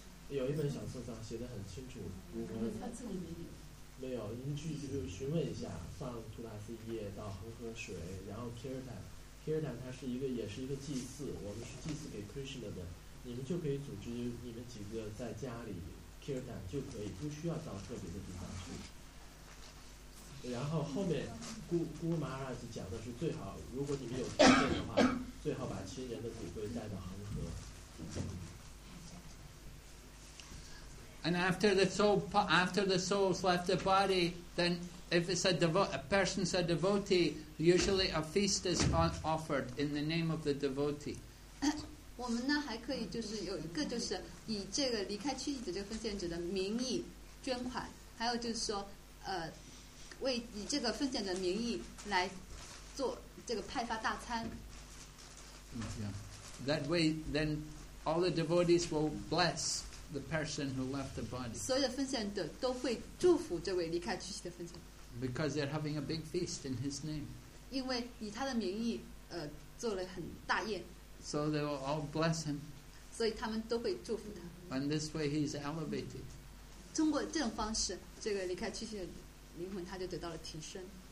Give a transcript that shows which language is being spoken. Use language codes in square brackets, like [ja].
[zh] 有一本小册子上写的很清楚，如何？没有，您去就询问一下，放图拉斯叶到恒河水，然后 Kirtan 它是一个也是一个祭祀，我们是祭祀给 Krishna 的，你们就可以组织你们几个在家里 Kirtan 就可以，不需要到特别的地方去。然后后面，姑妈拉就讲的是最好，如果你们有条件的话，最好把亲人的骨灰带到恒河。 [en] And after the soul's left the body, then if it's a person's a devotee, usually a feast is offered in the name of the devotee. [zh] 我们呢还可以就是有一个就是以这个离开躯体的这个奉献者的名义捐款，还有就是说为以这个奉献者的名义来做这个派发大餐。 [en] Yeah. That way, then all the devotees will bless the person who left the body. [zh] 所有的奉献者都会祝福这位离开躯体的奉献者。 [en] Because they're having a big feast in his name. [zh] 因为以他的名义做了很大宴。 [en] So they will all bless him. [zh] 所以他们都会祝福他。 [en] And this way he's elevated. [zh] 通过这种方式，这个离开躯体的灵魂他就得到了提升。